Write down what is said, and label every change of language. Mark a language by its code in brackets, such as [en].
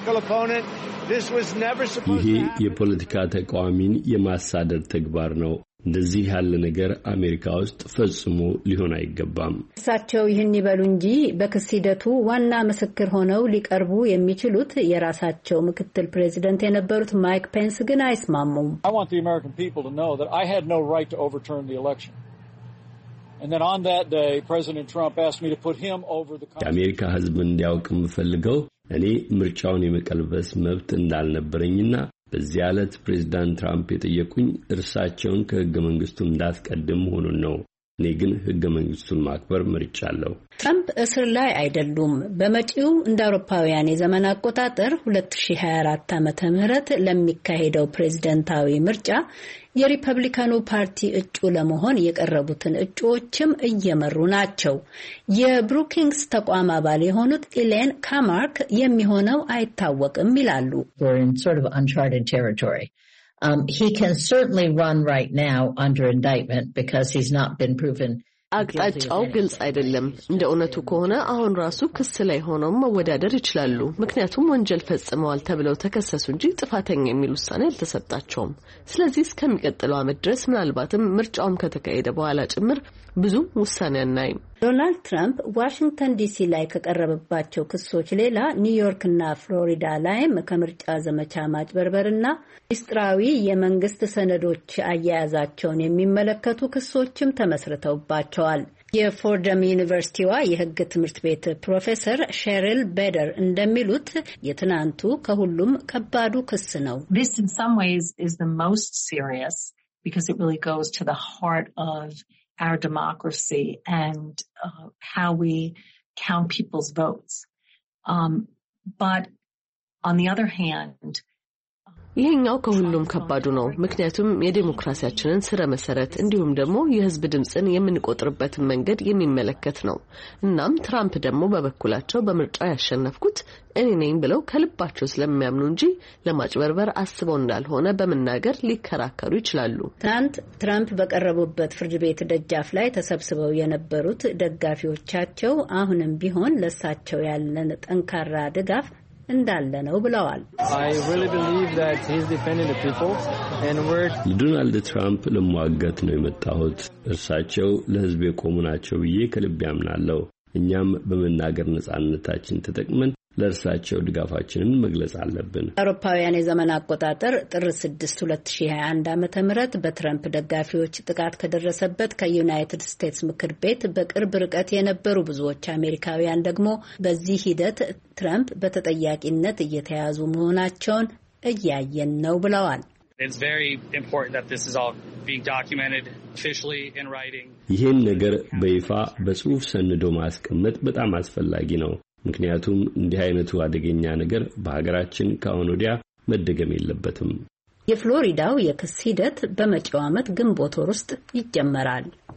[am] ይሄ የፖለቲካ ተቃዋሚን የማሳደድ ተግባር ነው። እንደዚህ ያለ ነገር አሜሪካ ውስጥ ፈጽሞ ሊሆን አይገባም። እሳቸው ይህን ይበሉ እንጂ በክስ ሂደቱ ዋና ምስክር ሆነው ሊቀርቡ የሚችሉት የራሳቸው ምክትል ፕሬዚደንት የነበሩት ማይክ ፔንስ ግን አይስማሙም። [en] I want the American people to know that I had no right to overturn the election. And then on that day, President Trump asked me to put him over the country. [am] የአሜሪካ ህዝብ እንዲያውቅ ምፈልገው እኔ ምርጫውን የመቀልበስ መብት እንዳልነበረኝና በዚያ ዕለት ፕሬዝዳንት ትራምፕ የጠየቁኝ እርሳቸውን ከህገ መንግስቱ እንዳስቀድም ሆኑን ነው። እኔ ግን ህገ መንግስቱን ማክበር መርጫለሁ። ትራምፕ እስር ላይ አይደሉም። በመጪው እንደ አውሮፓውያን የዘመን አቆጣጠር 2024 ዓመተ ምህረት ለሚካሄደው ፕሬዝዳንታዊ ምርጫ የሪፐብሊካኑ ፓርቲ እጩ ለመሆን የቀረቡትን እጩዎችም እየመሩ ናቸው። የብሩኪንግስ ተቋም አባል የሆኑት ኢሌን ካማርክ የሚሆነው አይታወቅም ይላሉ። [en] We're in sort of uncharted territory. He can certainly run right now under indictment because he's not been proven [am] አቅጣጫው ግልጽ አይደለም። እንደ እውነቱ ከሆነ አሁን ራሱ ክስ ላይ ሆነው መወዳደር ይችላሉ። ምክንያቱም ወንጀል ፈጽመዋል ተብለው ተከሰሱ እንጂ ጥፋተኛ የሚል ውሳኔ አልተሰጣቸውም። ስለዚህ እስከሚቀጥለው አመት ድረስ ምናልባትም ምርጫውም ከተካሄደ በኋላ ጭምር ብዙ ውሳኔ አናይም። ዶናልድ ትራምፕ ዋሽንግተን ዲሲ ላይ ከቀረበባቸው ክሶች ሌላ ኒውዮርክና ፍሎሪዳ ላይም ከምርጫ ዘመቻ ማጭበርበርና ሚስጥራዊ የመንግስት ሰነዶች አያያዛቸውን የሚመለከቱ ክሶችም ተመስርተውባቸዋል። የፎርደም ዩኒቨርሲቲዋ የሕግ ትምህርት ቤት ፕሮፌሰር ሼሪል ቤደር እንደሚሉት የትናንቱ ከሁሉም ከባዱ ክስ ነው። [en] This in some ways is the most serious because it really goes to the heart of our democracy and how we count people's votes. But on the other hand, [am] ይሄኛው ከሁሉም ከባዱ ነው። ምክንያቱም የዴሞክራሲያችንን ስረ መሰረት እንዲሁም ደግሞ የህዝብ ድምጽን የምንቆጥርበት መንገድ የሚመለከት ነው። እናም ትራምፕ ደግሞ በበኩላቸው በምርጫ ያሸነፍኩት እኔ ነኝ ብለው ከልባቸው ስለሚያምኑ እንጂ ለማጭበርበር አስበው እንዳልሆነ በመናገር ሊከራከሩ ይችላሉ። ትናንት ትራምፕ በቀረቡበት ፍርድ ቤት ደጃፍ ላይ ተሰብስበው የነበሩት ደጋፊዎቻቸው አሁንም ቢሆን ለሳቸው ያለን ጠንካራ ድጋፍ እንዳለ ነው ብለዋል። [en] I really believe that he's defending the people and we're [am] Donald Trump ለማዋጋት ነው የመጣሁት። እርሳቸው ለህዝብ የቆሙ ናቸው ብዬ ከልብ ያምናለሁ። እኛም በመናገር ነጻነታችን ተጠቅመን ለእርሳቸው ድጋፋችንን መግለጽ አለብን። አውሮፓውያን የዘመን አቆጣጠር ጥር 6 2021 ዓ.ም ምረት በትራምፕ ደጋፊዎች ጥቃት ከደረሰበት ከዩናይትድ ስቴትስ ምክር ቤት በቅርብ ርቀት የነበሩ ብዙዎች አሜሪካውያን ደግሞ በዚህ ሂደት ትራምፕ በተጠያቂነት እየተያዙ መሆናቸውን እያየን ነው ብለዋል። [en] It's very important that this is all being documented officially in writing. [am] ይሄን ነገር በይፋ በጽሑፍ ሰንዶ ማስቀመጥ በጣም አስፈላጊ ነው። ምክንያቱም እንዲህ አይነቱ አደገኛ ነገር በሀገራችን ካሁን ወዲያ መደገም የለበትም። የፍሎሪዳው የክስ ሂደት በመጪው ዓመት ግንቦት ወር ውስጥ ይጀመራል።